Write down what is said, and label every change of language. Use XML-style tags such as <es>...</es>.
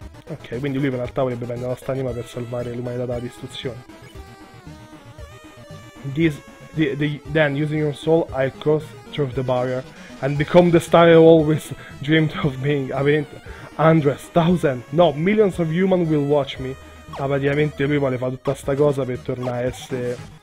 <it>Ok, quindi lui in realtà vorrebbe prendere la nostra anima per salvare l'umanità dalla distruzione.</it> <en>Then, using your soul, I'll cross through the barrier and become the star I always dreamed of being. I mean, hundreds, thousands, no, millions of humans will watch me.</en> <it>Ah, praticamente lui vuole fare tutta sta cosa per tornare a essere...</it>